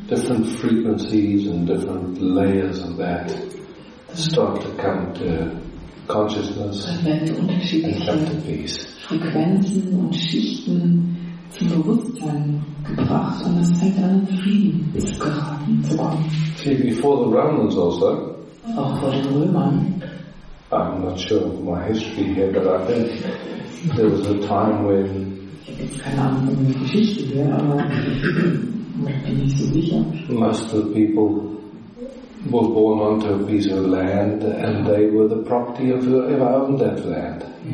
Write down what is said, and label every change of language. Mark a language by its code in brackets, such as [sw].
[en] Different frequencies and different layers of that start to come to consciousness and come to peace. [de] Frequenzen und Schichten zum Bewusstsein gebracht und es fängt an, Frieden zu geraten zu kommen. [en] See, before the Romans also. [de] Auch vor den Römern. [en] I'm not sure of my history here, but I think there was a time when. Most of the people were born onto a piece of land and they were the property of whoever owned that land.